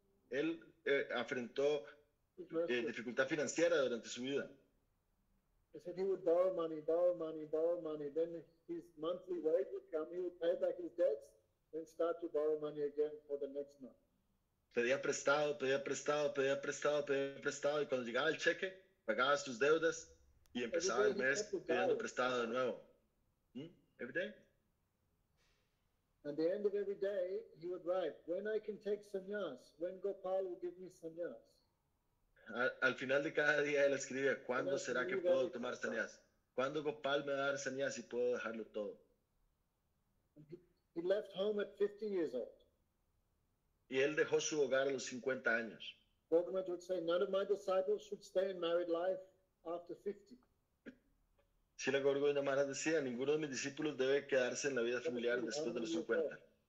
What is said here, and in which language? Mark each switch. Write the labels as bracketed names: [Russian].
[Spanish] Él afrontó dificultad financiera durante su vida. [English] He said he would borrow money, borrow money, borrow money. Then his monthly wage would come. He would pay back his debts, then start to borrow money again for the next month. [Spanish] Pedía prestado, pedía prestado, pedía prestado, pedía prestado. Y cuando llegaba el cheque, pagaba sus deudas y empezaba el mes pidiendo prestado de nuevo. [English] Every day. At the end of every day, he would write, when I can take sannyas, when Gopal will give me sannyas. [Spanish] Al final de cada día, él escribía, ¿cuándo será que puedo tomar sannyas? ¿Cuándo Gopal me va a dar sannyas y puedo dejarlo todo? [English] He left home at 50 years old. [Spanish] Y él dejó su hogar a los 50 años. [English] Gopal would say, none of my disciples should stay in married life after 50. [Spanish] Srila Gauravinda Maharaj decía, ninguno de mis discípulos debe quedarse en la vida familiar después de los 50.